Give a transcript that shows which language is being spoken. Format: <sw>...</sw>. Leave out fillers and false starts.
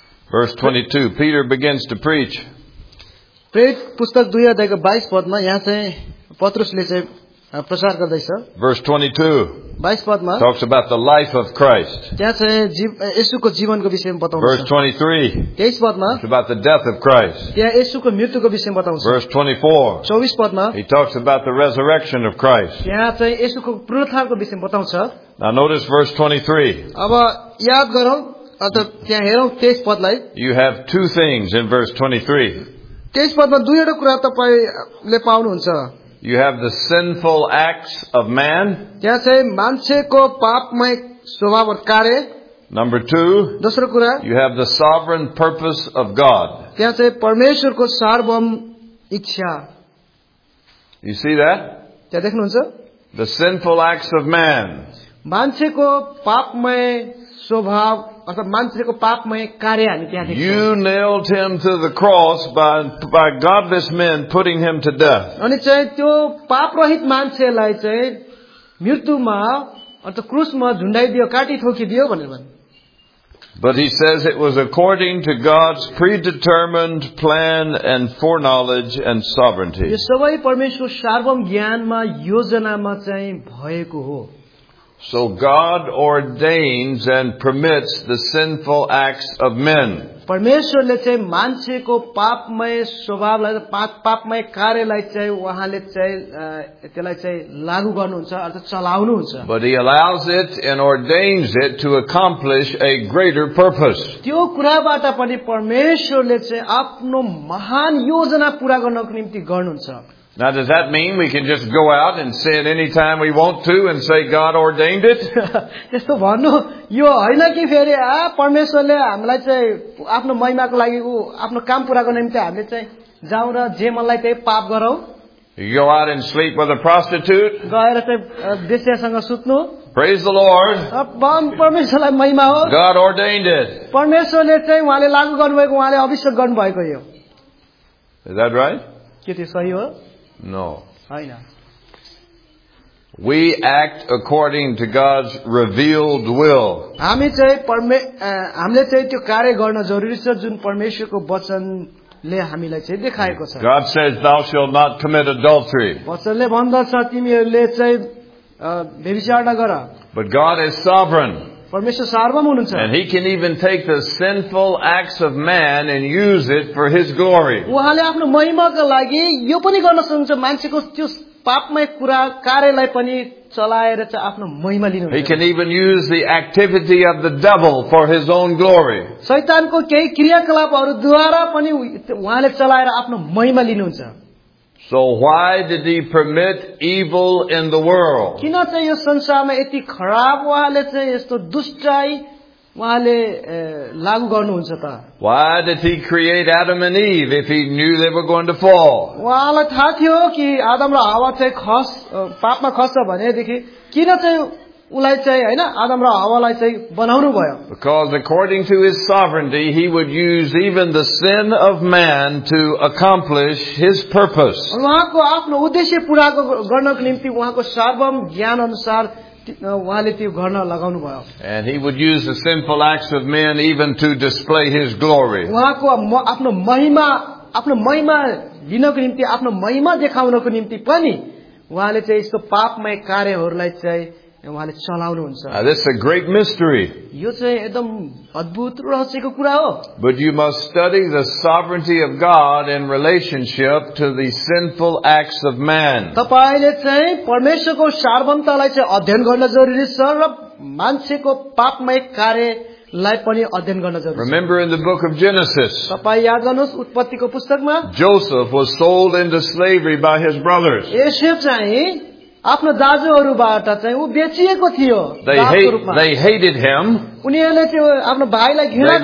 <en>Verse 22, Peter begins to preach.</en> <ne>प्रेरित पुस्तक 2 अध्यायको 22 पदमा यहाँ चाहिँ पत्रुसले चाहिँ प्रचार गर्दैछ.</ne> <en>Verse 22.</en> <ne>22 पदमा</ne> <en>talks about the life of Christ.</en> <ne>त्यहाँ चाहिँ येशूको जीवनको विषयमा बताउँछ.</ne> <en>Verse 23.</en> <ne>23 पदमा</ne> <en>talks about the death of Christ.</en> <ne>त्यहाँ येशूको मृत्युको विषयमा बताउँछ.</ne> <en>Verse 24.</en> <ne>24 पदमा</ne> <en>he talks about the resurrection of Christ.</en> <ne>त्यहाँ चाहिँ येशूको पुनरुत्थानको विषयमा बताउँछ.</ne> <en>Now notice verse 23.</en> <ne>अब याद गरौ अन्त त्यहाँ हेरौ 23 पदलाई.</ne> <en>You have two things in verse 23.</en> <ne>त्यस पदमा दुईवटा कुरा तपाईँले पाउनुहुन्छ.</ne> <en>You have the sinful acts of man.</en> <ne>त्यहाँ चाहिँ मान्छेको पापमय स्वभाव कार्य.</ne> <en>Number two.</en> <ne>दोस्रो कुरा.</ne> <en>You have the sovereign purpose of God.</en> <ne>त्यहाँ चाहिँ परमेश्वरको सार्वभौम इच्छा.</ne> <en>You see that?</en> <ne>त्यहाँ देख्नुहुन्छ.</ne> <en>The sinful acts of man.</en> <ne>मान्छेको पापमय स्वभाव अथवा मान्छेको पापमय कार्य हामी त्यहाँ देख्छौ.</ne> <en>You nailed him to the cross by godless men putting him to death.</en> <ne>अनि चाहिँ त्यो पापरहित मान्छेलाई चाहिँ मृत्युमा अथवा क्रुसमा झुन्डाइदियो काटी ठोकिदियो भनेर भन्यो.</ne> <en>But he says it was according to God's predetermined plan and foreknowledge and sovereignty.</en> <ne>यो सबै परमेश्वर सार्वभौम ज्ञानमा योजनामा चाहिँ भएको हो.</ne> <en>So God ordains and permits the sinful acts of men.</en> <ne>परमेश्वरले चाहिँ मान्छेको पापमय स्वभावलाई पापमय कार्यलाई चाहिँ उहाँले चाहिँ त्यसलाई चाहिँ लागू गर्नुहुन्छ अर्थात् चलाउनुहुन्छ.</ne> <en>But he allows it and ordains it to accomplish a greater purpose.</en> <ne>त्यो कुराबाट पनि परमेश्वरले चाहिँ आफ्नो महान योजना पूरा गर्नको निम्ति गर्नुहुन्छ.</ne> <en>Now does that mean we can just go out and sin any time we want to and say God ordained it?</en> <ne>त्यस्तो भन्नु यो हैन कि फेरि आ परमेश्वरले हामीलाई चाहिँ आफ्नो महिमाको लागि आफ्नो काम पूरा गर्न निम्ति हामीले चाहिँ जाउँ र जे मनलाई त्यही पाप गरौ.</ne> <en>You go out and sleep with a prostitute?</en> <ne>गएर चाहिँ देशियासँग सुत्नु.</ne> <en>Praise the Lord.</en> <ne>परमेश्वरलाई महिमा हो.</ne> <en>God ordained it.</en> <ne>परमेश्वरले चाहिँ उहाँले लागू गर्नुभएको उहाँले अभिषेक गर्नुभएको यो.</ne> <en>Is that right?</en> <ne>के त्यो सही हो?</ne> <en>No. We act according to God's revealed will.</en> <ne>हामी चाहिँ हामीले चाहिँ त्यो कार्य गर्न जरुरी छ जुन परमेश्वरको वचनले हामीलाई चाहिँ देखाएको छ.</ne> <en>God says thou shalt not commit adultery.</en> <ne>वचनले भन्दछ तिमीहरूले चाहिँ व्यभिचार नगर.</ne> <en>But God is sovereign.</en> <ne>परमेश्वर सार्वभौम हुनुहुन्छ.</ne> <en>And he can even take the sinful acts of man and use it for his glory.</en> <ne>उहाँले आफ्नो महिमाको लागि यो पनि गर्न सक्नुहुन्छ मान्छेको त्यो पापमय कुरा कार्यलाई पनि चलाएर चाहिँ आफ्नो महिमा लिनुहुन्छ.</ne> <en>He can even use the activity of the devil for his own glory.</en> <ne>शैतानको केही क्रियाकलापहरूद्वारा पनि उहाँले चलाएर आफ्नो महिमा लिनुहुन्छ.</ne> <en>So why did he permit evil in the world?</en> <ne>किन चाहिँ यो संसारमा यति खराब वाले चाहिँ यस्तो दुष्टाई वाले लागू गर्नुहुन्छ त?</ne> <en>Why did he create Adam and Eve if he knew they were going to fall?</en> <ne>वाले थाहा थियो कि आदम र हावा चाहिँ खस पापमा खस्छ भने देखि किन चाहिँ उलाई चाहिँ हैन आदम र हावालाई चाहिँ बनाउनु भयो?</ne> <en>Because according to his sovereignty he would use even the sin of man to accomplish his purpose.</en> <ne>उहाँको आफ्नो उद्देश्य पूरा गर्नको निम्ति उहाँको सार्वभौम ज्ञान अनुसार उहाँले त्यो गर्न लगाउनु भयो.</ne> <en>And he would use the sinful acts of men even to display his glory.</en> <ne>उहाँको आफ्नो महिमा लिनको निम्ति आफ्नो महिमा देखाउनको निम्ति पनि उहाँले चाहिँ यस्तो पापमय कार्यहरूलाई चाहिँ उहाँले चलाउनुहुन्छ.</ne> <en>This is a great mystery.</en> <ne>यो चाहिँ एकदम अद्भुत रहस्यको कुरा हो.</ne> <en>But you must study the sovereignty of God in relationship to the sinful acts of man.</en> <ne>तपाईले चाहिँ परमेश्वरको सार्वभौमतालाई चाहिँ अध्ययन गर्न जरुरी छ र मान्छेको पापमय कार्य लाई पनि अध्ययन गर्न जरुरी छ.</ne> <en>Remember in the book of Genesis.</en> <ne>तपाई याद गर्नुस् उत्पत्तिको पुस्तकमा.</ne> <en>Joseph was sold into slavery by his brothers.</en> <ne>Joseph चाहिँ आफ्नो दाजुहरूबाट चाहिँ ऊ बेचिएको थियो.</ne> <en>They hated him.</en> <ne>उनीहरूले त्यो आफ्नो भाइलाई घृणा गरे.</ne>